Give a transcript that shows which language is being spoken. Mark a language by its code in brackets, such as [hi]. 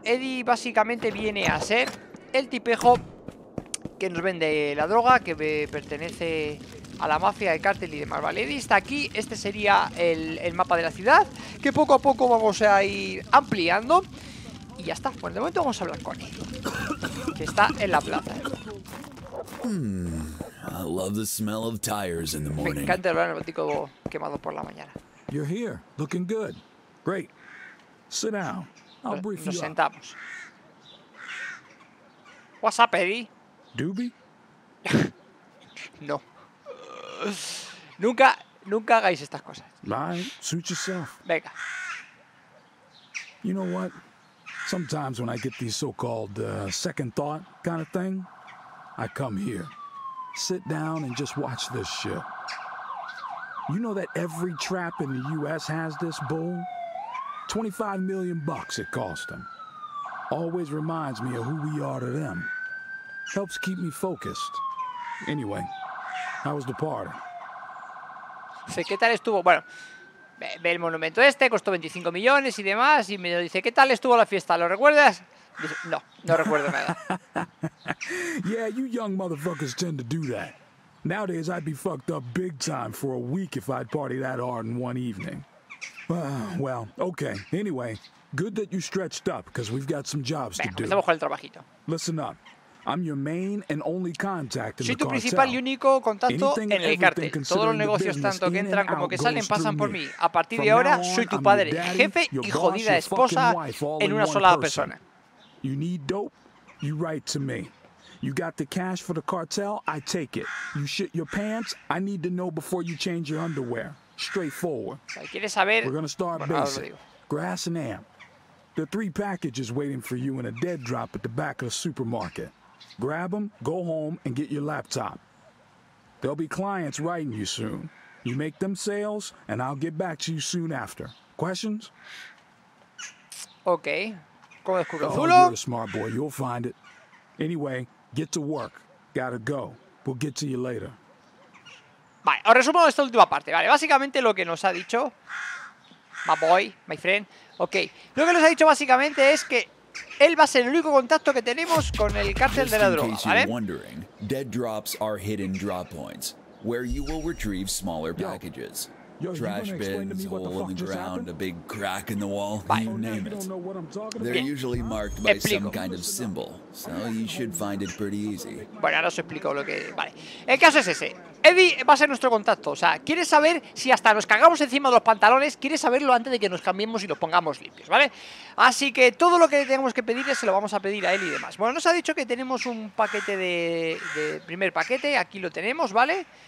[es] Eddie básicamente viene a ser el tipejo que nos vende la droga, que pertenece a la mafia, el cártel y demás, ¿vale? Eddie está aquí, este sería el mapa de la ciudad, que poco a poco vamos a ir ampliando. Y ya está, bueno, de momento vamos a hablar con él, que está en la plaza. [en] I love the smell of tires in the morning. [es] Me encanta el olor neumático quemado por la mañana. [en] You're here, looking good. Great. Sit down. I'll brief [es] nos [en] you [es] sentamos. [en] Up. What's up, Eddie? Doobie? No. [es] Nunca hagáis estas cosas. [en] Bye. Suit yourself. [es] Venga. [en] You know what? Sometimes when I get these so-called second thought kind of thing, I come here. Sit down and just watch this shit. You know that every trap in the U.S. has this bull? $25 million it cost them. Always reminds me of who we are to them. Helps keep me focused. Anyway, how was the party? [es] Sí, ¿qué tal estuvo? Bueno, ve el monumento este, costó 25 millones y demás, y me dice, ¿qué tal estuvo la fiesta? ¿Lo recuerdas? Dice, no, no recuerdo nada. [en] Yeah, you young motherfuckers tend to do that. Nowadays, I'd be fucked up big time for a week if I'd party that hard in one evening. Well, okay. Anyway, good that you stretched up, because we've got some jobs [es] Venga, [en] to do. [es] Empezamos con el trabajito. [en] Listen up. I'm your main and only contact in [es] Soy [en] the [es] tu principal y único contacto Anything en el cartel. Todos los negocios, tanto que entran como que salen, pasan por mí. A partir de ahora, soy tu padre, jefe y jodida esposa en una sola persona. [en] You need dope? You write to me. You got the cash for the cartel? I take it. You shit your pants? I need to know before you change your underwear. Straightforward. [es] ¿Quieres saber? [en] We're gonna start basic. Grass and amp. There are three packages waiting for you in a dead drop at the back of the supermarket. Grab them, go home, and get your laptop. There'll be clients writing you soon. You make them sales, and I'll get back to you soon after. Questions? [es] Okay. ¿Cómo descubro el [en] zulo? Oh, you're a smart boy. You'll find it. Anyway, get to work. Gotta go. We'll get to you later. [es] Vale, os resumo esta última parte. Vale, básicamente lo que nos ha dicho... [en] My boy, my friend. Ok. [es] Lo que nos ha dicho básicamente es que... Él va a ser el único contacto que tenemos con el cártel de la droga, ¿vale? [en] Just in case you're wondering, dead drops are hidden drop points, where you will retrieve smaller packages. Trash bins, hole in the ground, a big crack in the wall, you name it. They're usually marked by some kind of symbol, so you should find it pretty easy. [es] Bueno, ahora os explico lo que... Vale. El caso es ese. Eddie va a ser nuestro contacto. O sea, quiere saber si hasta nos cagamos encima de los pantalones, quiere saberlo antes de que nos cambiemos y los pongamos limpios, ¿vale? Así que todo lo que tenemos que pedirle se lo vamos a pedir a él y demás. Bueno, nos ha dicho que tenemos un paquete de primer paquete, aquí lo tenemos, ¿vale?